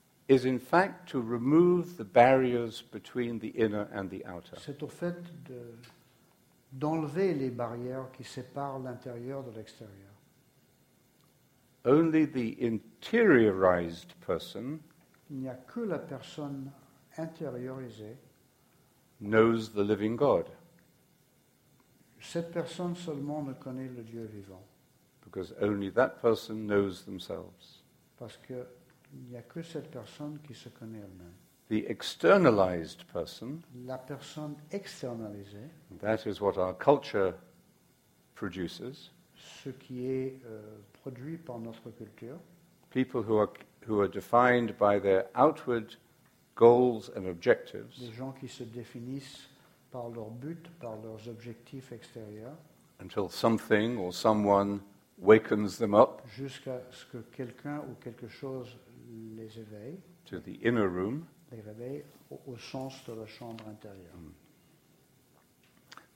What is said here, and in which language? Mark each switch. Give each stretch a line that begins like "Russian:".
English: is in fact to remove the barriers between the inner and the outer.
French: C'est au fait d'enlever les barrières qui séparent l'intérieur de l'extérieur.
English: Only the interiorized person,
French: il n'y a que la personne intériorisée,
English: knows the living God.
French: Cette personne seulement ne connaît le Dieu vivant.
English: Because only that person knows themselves.
French: Parce que il n'y a que cette personne qui se connaît elle-même.
English: The externalized person.
French: La personne externalisée.
English: That is what our culture produces.
French: Ce qui est produit par notre culture.
English: People who are defined by their outward goals and objectives.
French: Les gens qui se définissent par leurs buts, par leurs objectifs extérieurs.
English: Until something or someone wakens them up.
French: Jusqu'à ce que quelqu'un ou quelque chose les éveille.
English: To the inner room.
French: Les réveille au sens de la chambre intérieure. Mm.